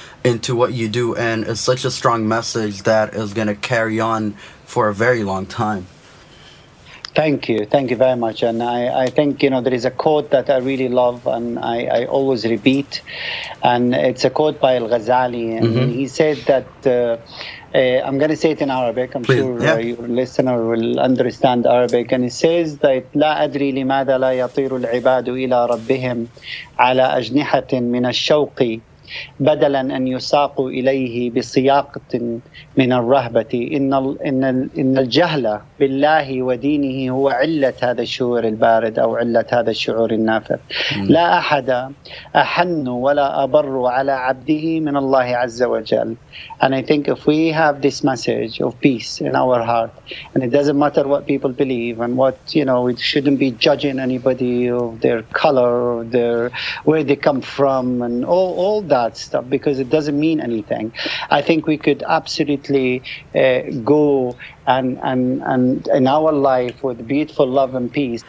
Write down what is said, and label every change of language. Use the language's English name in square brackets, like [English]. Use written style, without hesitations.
[English] into what you do, and it's such a strong message that is going to carry on for a very long time. Thank you. Thank you very much. And I think, you know, there is a quote that I really love and I always repeat. And it's a quote by Al-Ghazali. And mm-hmm. he said that, I'm going to say it in Arabic. I'm Please. Sure yeah. your listener will understand Arabic. And it says that, [Arabic] لا أدري لماذا لا يطير العباد إلى ربهم على أجنحة من الشوق بدلا أن يساقوا إليه بسياقة من الرهبة إن الجهل بالله ودينه هو علة هذا الشعور البارد أو علة هذا الشعور النافر لا أحد أحن ولا أبر على عبده من الله عز وجل. [English] And I think if we have this message of peace in our heart, and it doesn't matter what people believe and what, you know, we shouldn't be judging anybody of their color or their where they come from and all that stuff, because it doesn't mean anything. I think we could absolutely go and in our life with beautiful love and peace.